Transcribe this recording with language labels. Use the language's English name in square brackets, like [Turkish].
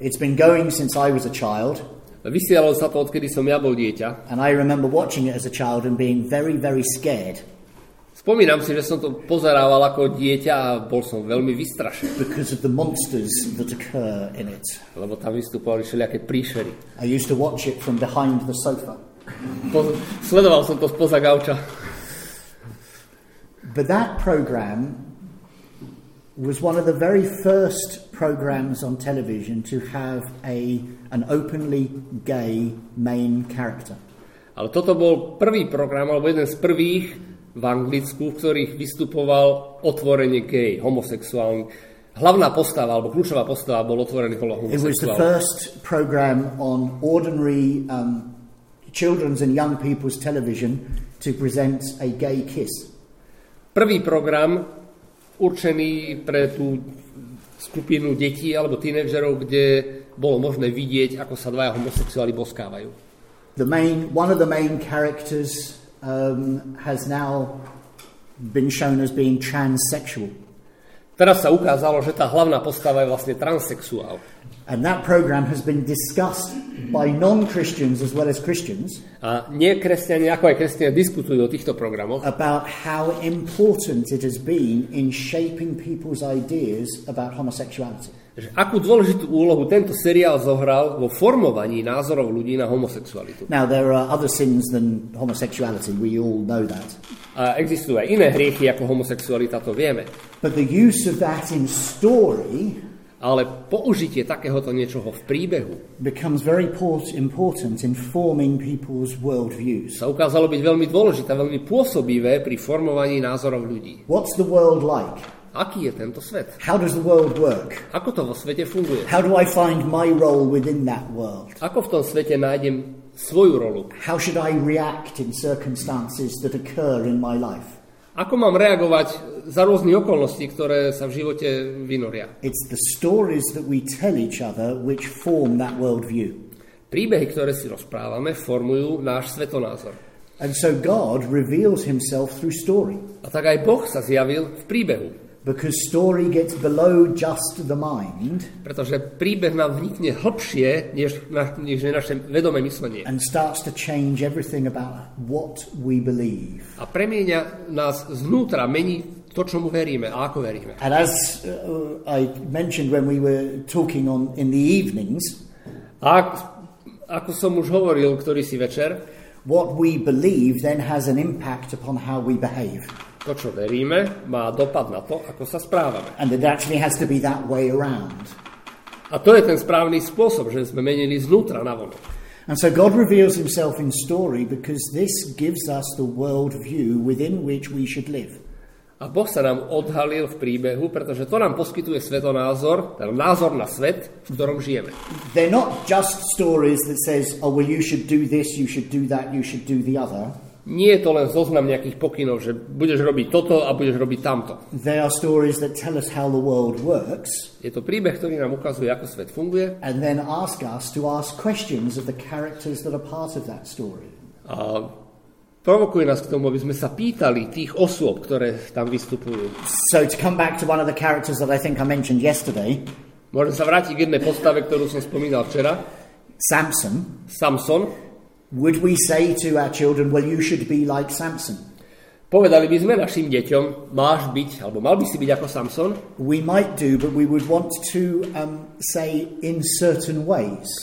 [English] It's been going since I was a child. [Slovak] Vysielalo sa to, odkedy som ja bol dieťa. [English] And I remember watching it as a child and being very, very scared. [Slovak] Spomínam si, že som to pozerával ako dieťa a bol som veľmi vystrašený. [English] Because of the monsters that occur in it. [Slovak] Lebo tam vystupovali všelijaké príšery. [English] I used to watch it from behind the sofa. [Slovak] Sledoval som to spoza gauča. [English] But that program was one of the very first programs on television to have an openly gay main character. [Slovak] Ale toto bol prvý program, alebo jeden z prvých v Anglicku, v ktorých vystupoval otvorene gay, homosexuálny. Hlavná postava, alebo kľúčová postava bol otvorený bol homosexuál. [English] It was the first program on ordinary children's and young people's television to present a gay kiss. [Slovak] Prvý program určený pre tú skupinu detí alebo tínedžerov, kde bolo možné vidieť, ako sa dvaja homosexuáli boskávajú. [English] The main, one of the main characters has now been shown as being transsexual. [Slovak] Teraz sa ukázalo, že tá hlavná postava je vlastne transsexuál. [English] And that program has been discussed by non-Christians as well as Christians. [Slovak] A nekresťania ako aj kresťania diskutujú o týchto programoch. [English] About how important it has been in shaping people's ideas about homosexuality. [Slovak] Že akú dôležitú úlohu tento seriál zohral vo formovaní názorov ľudí na homosexualitu. [English] Now there are other sins than homosexuality, we all know that. [Slovak] A existujú aj iné hriechy ako homosexualita, to vieme. [English] But the use of that in story, [Slovak] ale použitie takéhoto niečoho v príbehu, [English] becomes very important in forming people's world views. [Slovak] Sa ukázalo byť veľmi dôležité, veľmi pôsobivé pri formovaní názorov ľudí. [English] What's the world like? [Slovak] Aký je tento svet? [English] How does the world work? [Slovak] Ako to vo svete funguje? [English] How do I find my role within that world? [Slovak] Ako v tom svete nájdem svoju rolu? [English] How should I react in circumstances that occur in my life? [Slovak] Ako mám reagovať za rôzne okolnosti, ktoré sa v živote vynoria? [English] It's the stories that we tell each other which form that world view. [Slovak] Príbehy, ktoré si rozprávame, formujú náš svetonázor. [English] And so God reveals himself through story. [Slovak] A tak aj Boh sa zjavil v príbehu. [English] Because story gets below just the mind. [Slovak] Pretože príbeh nám vnikne hlbšie, než naše vedomé myslenie. [English] And starts to change everything about what we believe. [Slovak] A premieňa nás znútra, mení to, čomu veríme a ako veríme. [English] And as I mentioned when we were talking on in the evenings. [Slovak] A ako som už hovoril, ktorý si večer. [English] What we believe then has an impact upon how we behave. [Slovak] To, čo veríme, má dopad na to, ako sa správame. [English] And it actually has to be that way around. [Slovak] A to je ten správny spôsob, že sme menili znútra na vonok. [English] And so God reveals himself in story because this gives us the world view within which we should live. [Slovak] A Boh sa nám odhalil v príbehu, pretože to nám poskytuje svetonázor, ten názor na svet, v ktorom žijeme. [English] They're not just stories that says, oh, well, you should do this, you should do that, you should do the other. [Slovak] Nie je to len zoznam nejakých pokynov, že budeš robiť toto a budeš robiť tamto. [English] There are stories that tell us how the world works. [Slovak] Je to príbeh, ktorý nám ukazuje, ako svet funguje. [English] And then ask us to ask questions of the characters that are part of that story. [Slovak] A provokuje nás k tomu, aby sme sa pýtali tých osôb, ktoré tam vystupujú. [English] So to come back to one of the characters that I think I mentioned yesterday. [Slovak] Môžem sa vrátiť k jednej postave, ktorú som spomínal včera. [English] Samson. [Slovak] Samson. [English] Would we say to our children, well, you should be like Samson? [Slovak] Povedali by sme našim deťom, máš byť, alebo mal by si byť ako Samson? [English] We might do, but we would want to say in certain ways.